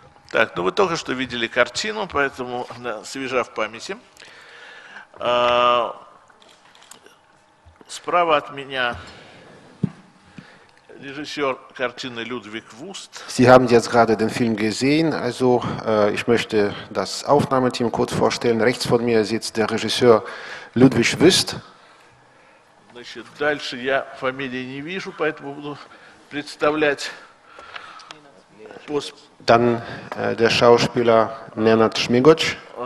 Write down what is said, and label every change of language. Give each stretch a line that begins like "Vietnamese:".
Russian: Так, ну вы только что видели картину, поэтому она свежа в памяти. Справа от меня режиссер картины Людвиг Вуст.
German: Sie haben jetzt gerade den Film gesehen, also ich möchte das Aufnahmeteam kurz vorstellen. Rechts von mir sitzt der Regisseur Ludwig Wüst.
Russian: Значит, дальше я фамилии не вижу, поэтому буду представлять.
German: Dann der Schauspieler Nenad Šmigoč.